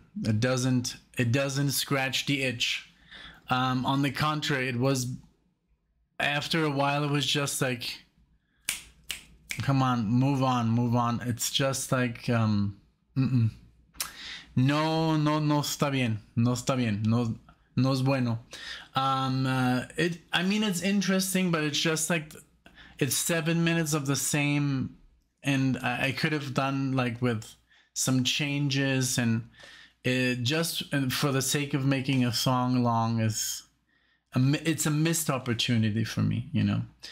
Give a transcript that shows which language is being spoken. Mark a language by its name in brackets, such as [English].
[English] It doesn't scratch the itch. On the contrary, it was, after a while, it was just like, come on, move on. It's just like, [Spanish] no está bien, no está bien, no es bueno. [English] It's interesting, but it's just like, it's 7 minutes of the same, and I could have done like with some changes, and it just for the sake of making a song long it's a missed opportunity for me, you know.